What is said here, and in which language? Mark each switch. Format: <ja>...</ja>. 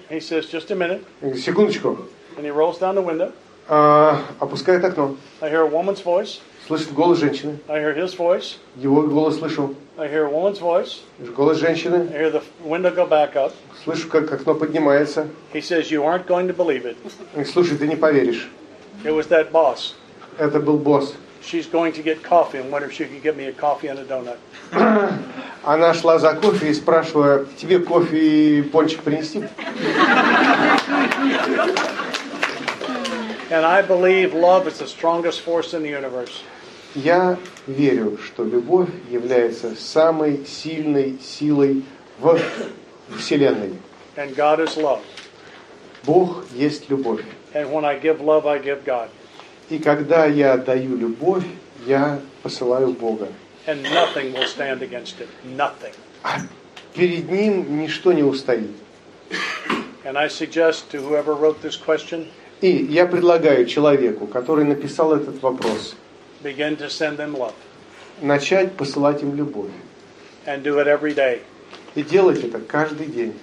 <en>He says, just a minute.</en> <ru>Секундочку.</ru> <en>And he rolls down the window.</en> <ru>Опускает окно.</ru> <en>I hear a woman's voice.</en> <ru>Слышит голос женщины.</ru> <en>I hear his voice.</en> <ru>Его голос слышу.</ru> <en>I hear a woman's voice.</en> <ru>Голос женщины.</ru> <en>I hear the window go back up.</en> <ru>Слышу, как окно поднимается.</ru> <en>He says, you aren't going to believe it.</en> <ru>Слушай, ты не поверишь.</ru> <en>It was that boss.</en> <ru>Это был босс.</ru> <en>She's going to get coffee and wonder if she could get me a coffee and a donut.</en> <ru>Она шла за кофе и спрашивала, тебе кофе и пончик принести?</ru> <en>And I believe love is the strongest force in the universe.</en> <ru>Я верю, что любовь является самой сильной силой в Вселенной.</ru> <en>And God is love.</en> <ru>Бог есть любовь.</ru> <en>And when I give love, I give God.</en> <ru>И когда я даю любовь, я посылаю Бога.</ru> <en>And nothing will stand against it. Nothing.</en> <ru>А перед ним ничто не устоит.</ru> <en>And I suggest to whoever wrote this question,</en> <ru>и я предлагаю человеку, который написал этот вопрос,</ru> <en>begin to send them love.</en> <ru>Начать посылать им любовь.</ru> <en>And do it every day.</en> <ru>И делать это каждый день.</ru>